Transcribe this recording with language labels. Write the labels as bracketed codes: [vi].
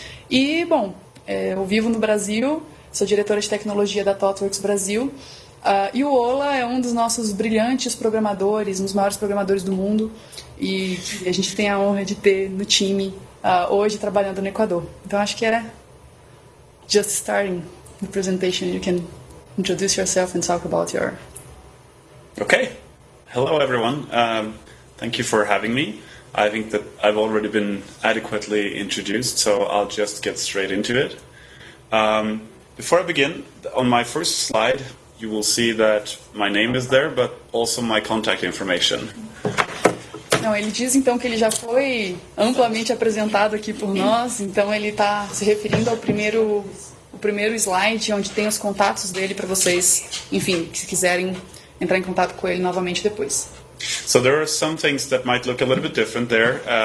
[pt] E, bom, eu vivo no Brasil, sou diretora de tecnologia da ThoughtWorks Brasil, e o Ola é um dos nossos brilhantes programadores, um dos maiores programadores do mundo, e a gente tem a honra de ter no time, hoje trabalhando no Equador. Então, acho que era [en] just starting the presentation. You can introduce yourself and talk about your. Okay. Hello, everyone. Thank you for having me. I think that I've already been adequately introduced, so I'll just get straight into it. Before I begin, on my first slide, you will see that my name is there, but also my contact information. [pt] Não, ele diz então que ele já foi amplamente apresentado aqui por nós, então ele está se referindo ao primeiro primeiro slide, onde tem os contatos dele para vocês, enfim, se quiserem entrar em contato com ele novamente depois. [en] So there are some things that might look a little bit different there.